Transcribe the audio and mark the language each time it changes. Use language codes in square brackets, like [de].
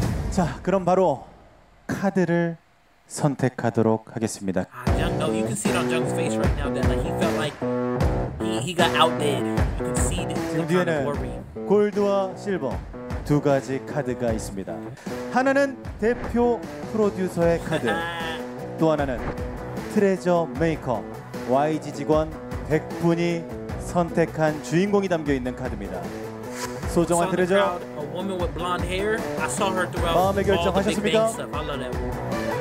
[ko] 자, 그럼 바로 카드를 선택하도록 하겠습니다. [en] You can see it on Jung's face right now that like he felt like he got outdid. You can see the kind of worry. [ko] 골드와 실버 두 가지 카드가 있습니다. 하나는 대표 프로듀서의 카드. 또 하나는 트레저 메이커 YG 직원 100분이 선택한 주인공이 담겨 있는 카드입니다. 소정한 트레저. [en] A woman with blonde hair. I saw her throughout all the Big Bang stuff. I love that.